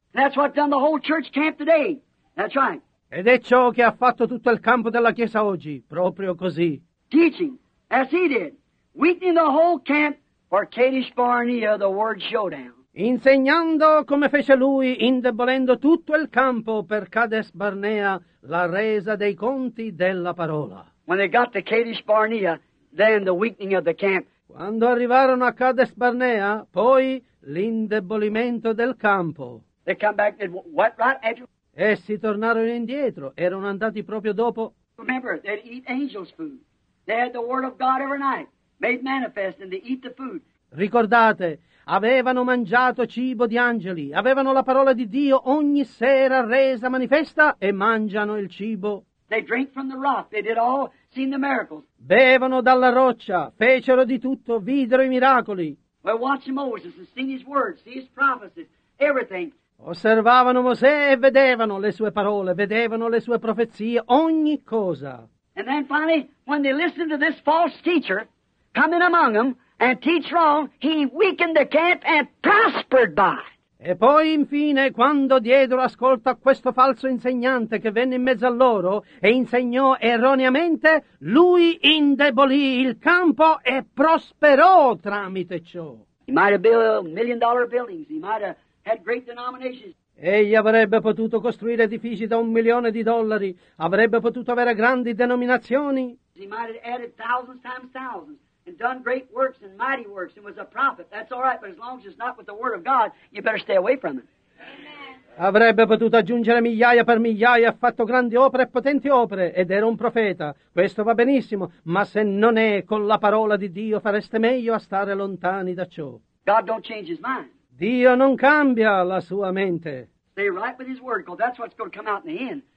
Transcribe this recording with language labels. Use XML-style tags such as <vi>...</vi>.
<en>That's what done the whole church camp today. That's right.</en> <it>Ed è ciò che ha fatto tutto il campo della Chiesa oggi, proprio così.</it> <en>Teaching, as he did, weakening the whole camp for Kadesh Barnea, the word showdown.</en> <it>Insegnando come fece lui, indebolendo tutto il campo per Kadesh Barnea, la resa dei conti della parola.</it> <en>When they got to Kadesh Barnea, then the weakening of the camp.</en> <it>Quando arrivarono a Kadesh Barnea, poi l'indebolimento del campo.</it> <en>They come back and what right after?</en> <it>Essi tornarono indietro, erano andati proprio dopo.</it> <en>Remember, they'd eat angels' food. They had the word of God every night, made manifest, and they eat the food.</en> <it>Ricordate, avevano mangiato cibo di angeli, avevano la parola di Dio ogni sera resa manifesta e mangiano il cibo.</it> <en>They drink from the rock, they did all, seen the miracles.</en> <it>Bevono dalla roccia, fecero di tutto, videro i miracoli.</it> <en>Well, watch Moses and see his words, see his prophecies, everything.</en> <it>Osservavano Mosè e vedevano le sue parole, vedevano le sue profezie, ogni cosa.</it> <en>And then finally, when they listened to this false teacher coming among them and teach wrong, he weakened the camp and prospered by it.</en> <it>E poi, infine, quando diedero ascolto a questo falso insegnante che venne in mezzo a loro e insegnò erroneamente, lui indebolì il campo e prosperò tramite ciò.</it> <en>He might have built million-dollar buildings. He might have had great denominations.</en> <it>Egli avrebbe potuto costruire edifici da $1,000,000, avrebbe potuto avere grandi denominazioni.</it> <en>He might have added thousands times thousands and done great works and mighty works and was a prophet. That's all right, but as long as it's not with the word of God, you better stay away from it.</en> <it>Avrebbe potuto aggiungere migliaia per migliaia, ha fatto grandi opere e potenti opere, ed era un profeta. Questo va benissimo, ma se non è con la parola di Dio, fareste meglio a stare lontani da ciò.</it> <en>God don't change his mind.</en> <it>Dio non cambia la sua mente.</it> <en>Stay right with his word, because that's what's going to come out in the end.</en>